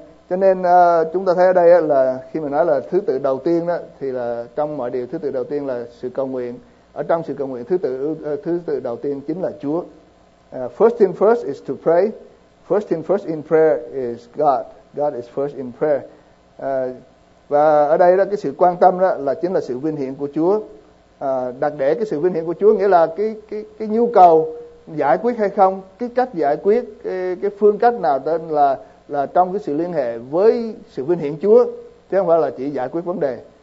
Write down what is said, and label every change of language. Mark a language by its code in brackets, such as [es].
[vi] Cho nên chúng ta thấy ở đây là khi mình nói là thứ tự đầu tiên đó, thì là trong mọi điều thứ tự đầu tiên là sự cầu nguyện. Ở trong sự cầu nguyện thứ tự đầu tiên chính là Chúa. [en] First thing first is to pray. First thing first in prayer is God. God is first in prayer. [vi] Và ở đây đó, cái sự quan tâm đó là chính là sự vinh hiển của Chúa. Đặt để cái sự vinh hiển của Chúa nghĩa là cái nhu cầu giải quyết hay không, cái cách giải quyết, cái phương cách nào tên là trong cái sự liên hệ với sự vinh hiển Chúa, chứ không phải là chỉ giải quyết vấn đề.